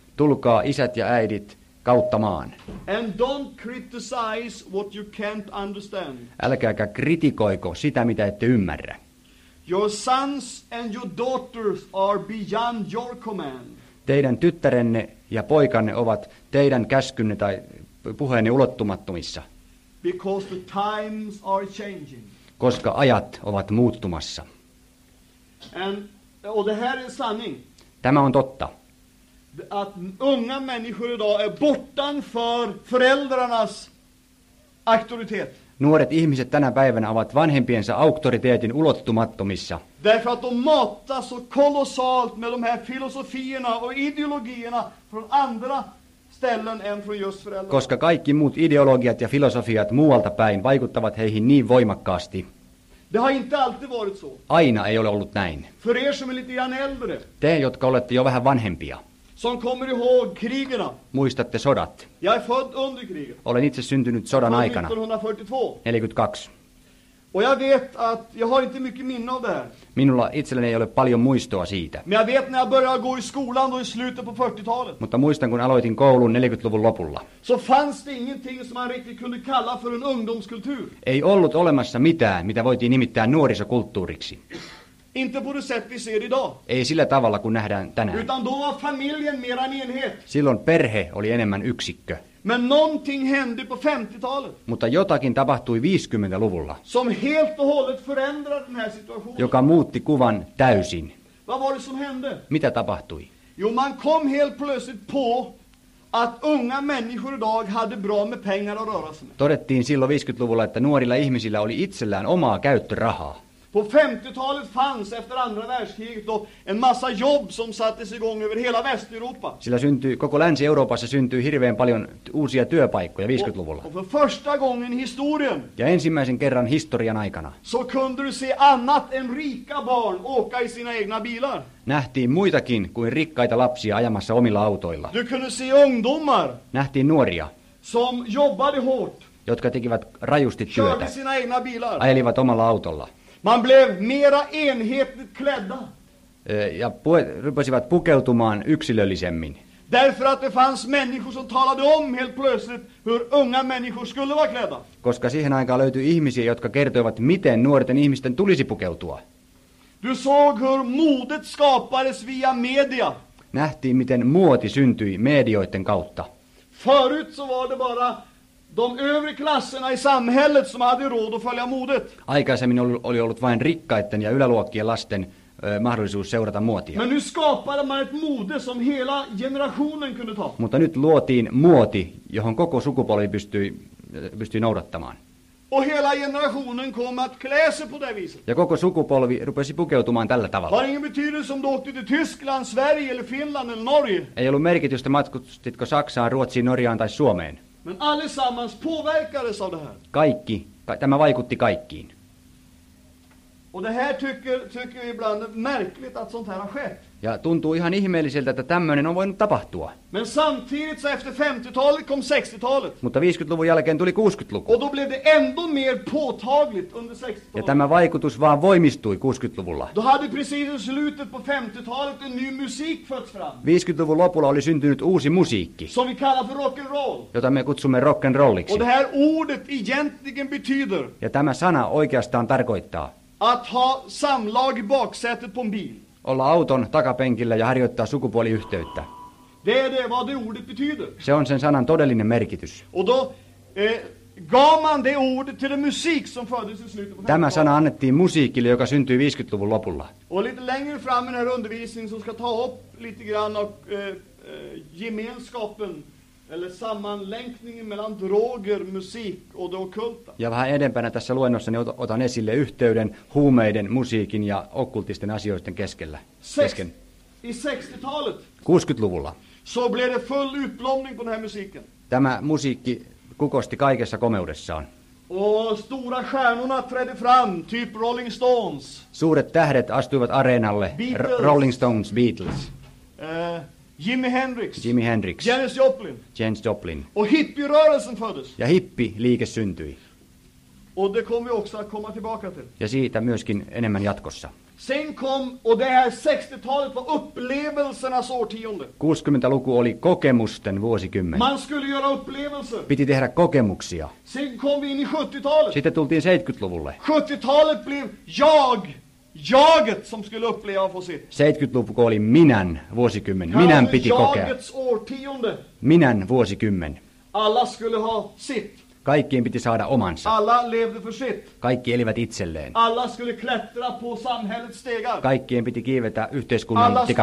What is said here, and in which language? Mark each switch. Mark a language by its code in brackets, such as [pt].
[fi] Tulkaa isät ja äidit kautta maan. [en] And don't criticize what you can't understand. [fi] Älkääkä kritikoiko sitä, mitä ette ymmärrä. [en] Your sons and your daughters are beyond your command. [fi] Teidän tyttärenne ja poikanne ovat teidän käskynne tai puheenne ulottumattomissa. [en] Because the times are changing. [fi] Koska ajat ovat muuttumassa. [en] And oh, [sv] det här är sanning. [fi] Tämä on totta. [sv] Att unga människor idag är bortanför föräldrarnas auktoritet. [fi] Nuoret ihmiset tänä päivänä ovat vanhempiensa auktoriteetin ulottumattomissa. [sv] Därför att de matas så kolossalt med de här filosofierna och ideologierna från andra ställen än från just föräldrarna. [fi] Koska kaikki muut ideologiat ja filosofiat muualta päin vaikuttavat heihin niin voimakkaasti. [sv] Det har inte alltid varit så. [fi] Aina ei ole ollut näin. [sv] För er som är lite grann äldre. [fi] Te, jotka olette jo vähän vanhempia. [sv] Som kommer ihåg krigerna. [fi] Muistatte sodat. [sv] Jag är född under kriget. [fi] Olen itse syntynyt sodan aikana. 1942. [sv] Och jag vet att jag har inte mycket minne av det här. [fi] Minulla itselläni ei ole paljon muistoa siitä. [sv] Men jag vet när jag började gå i skolan då i slutet på 40-talet. [fi] Mutta muistan kun aloitin koulun 40-luvun lopulla. [sv] Så fanns det ingenting som man riktigt kunde kalla för en ungdomskultur. [fi] Ei ollut olemassa mitään, mitä voitiin nimittää nuorisokulttuuriksi. [sv] Inte på det sätt vi ser idag. [fi] Ei sillä tavalla kun nähdään tänään. [sv] Utan då var familjen mer en enhet. [fi] Silloin perhe oli enemmän yksikkö. [sv] Men någonting hände på 50-talet. [fi] Mutta jotakin tapahtui 50-luvulla. [sv] Som helt och hållet förändrade den här situationen. [fi] Joka muutti kuvan täysin. [sv] Vad var det som hände? [fi] Mitä tapahtui? [sv] Jo, man kom helt plötsligt på att unga människor idag hade bra med pengar att röra sig med. [fi] Todettiin silloin 50-luvulla, että nuorilla ihmisillä oli itsellään omaa käyttörahaa. [sv] På 50-talet fanns efter andra världskriget då en massa jobb som sattes igång över hela Västeuropa. [fi] Sillä syntyi, koko Länsi-Euroopassa syntyi hirveän paljon uusia työpaikkoja 50-luvulla. [sv] Och för första gången i historien. [fi] Ja ensimmäisen kerran historian aikana. [sv] Så kunde du se annat än rika barn åka i sina egna bilar. [fi] Nähtiin muitakin kuin rikkaita lapsia ajamassa omilla autoilla. [sv] Du kunde se ungdomar. [fi] Nähtiin nuoria. [sv] som jobbade hårt. [fi] Jotka tekivät rajusti työtä. [sv] Körde sina egna bilar. [fi] Ajelivat omalla autolla. [sv] Man blev mera enhetligt klädda. [fi] Ja rupesivat pukeutumaan yksilöllisemmin. [sv] Därför att det fanns människor som talade om helt plötsligt hur unga människor skulle vara klädda. [fi] Koska siihen aikaan löytyi ihmisiä, jotka kertoivat, miten nuorten ihmisten tulisi pukeutua. [sv] Du såg hur modet skapades via media. [fi] Nähtiin, miten muoti syntyi medioiden kautta. [sv] Förut så var det bara de övre klasserna i samhället som hade råd att följa modet. [fi] Aikaisemmin oli ollut vain rikkaiden ja yläluokkien lasten mahdollisuus seurata muotia. [sv] Men nu skapade man ett mode som hela generationen kunde ta. [fi] Mutta nyt luotiin muoti, johon koko sukupolvi pystyi noudattamaan. [sv] Och hela generationen kom att klä sig på det viset. [fi] Ja koko sukupolvi rupesi pukeutumaan tällä tavalla. [sv] Har ingen betydelse om du åkte till Tyskland, Sverige eller Finland eller Norge. [fi] Ei ollut merkitystä, matkustitko Saksaan, Ruotsiin, Norjaan tai Suomeen. [sv] Men allesammans påverkades av det här. [fi] Kaikki, tämä vaikutti kaikkiin. [sv] Och det här tycker vi ibland märkligt att sånt här har skett. [fi] Ja tuntuu ihan ihmeelliseltä, että tämmöinen on voinut tapahtua. [sv] Men samtidigt så efter 50-talet kom 60-talet. [fi] Mutta 50-luvun jälkeen tuli 60-luku. [sv] Och då blev det ändå mer påtagligt under 60-talet. [fi] Ja tämä vaikutus vaan voimistui 60-luvulla. [sv] Då hade precis i slutet på 50-talet en ny musik fötts fram. [fi] 50-luvun lopulla oli syntynyt uusi musiikki. [sv] Som vi kallar för rock and roll. [fi] Jota me kutsumme rock and rolliksi. [sv] Och det här ordet egentligen betyder. [fi] Ja tämä sana oikeastaan tarkoittaa. [sv] Att ha samlag i baksätet på en bil. [fi] Olla auton takapenkillä ja harjoittaa sukupuoliyhteyttä. [sv] Det vad det ordet betyder. [fi] Se on sen sanan todellinen merkitys. [sv] Och då gav man det ordet till den musik som föddes i slutet på. [fi] Tämä sana annettiin musiikille, joka syntyi 50-luvun lopulla. [sv] Och lite längre fram i den här undervisningen som ska ta upp lite grann och gemenskapen. Eller sammanlänkningen mellan droger, musik och det okulta. [fi] Ja vähän edempänä tässä luennossa otan esille yhteyden huumeiden, musiikin ja okkultisten asioiden kesken. [sv] I 60-talet. [fi] 60-luvulla. [sv] Så blev det full utblomning på den här musiken. [fi] Tämä musiikki kukosti kaikessa komeudessaan. [sv] Och stora stjärnorna trädde fram, typ Rolling Stones. [fi] Suuret tähdet astuivat areenalle. Rolling Stones, Beatles. Jimi Hendrix. Janis Joplin. [sv] Och hippierörelsen föddes. [fi] Ja hippiliike syntyi. [sv] Och det kommer vi också att komma tillbaka till. [fi] Ja siitä myöskin enemmän jatkossa. [sv] Sen kom, och det här 60-talet var upplevelsernas årtionde. [fi] 60-luku oli kokemusten vuosikymmen. [sv] Man skulle göra upplevelser. [fi] Piti tehdä kokemuksia. [sv] Sen kom vi in i 70-talet. [fi] Sitten tultiin 70-luvulle. [sv] 70-talet blev jaget som skulle uppleva på sitt. [fi] 70-luvun oli minän vuosikymmen. Minän piti kokea. [sv] Jagets årtionde. [fi] Minän vuosikymmen. [sv] Alla skulle ha sitt. [fi] Kaikkien piti saada omansa. [sv] Alla levde för sitt. [fi] Kaikki elivät itselleen. [sv] Alla skulle klättra på samhällets stegar. [fi] Kaikkien piti kiivetä yhteiskunnan tikapuita.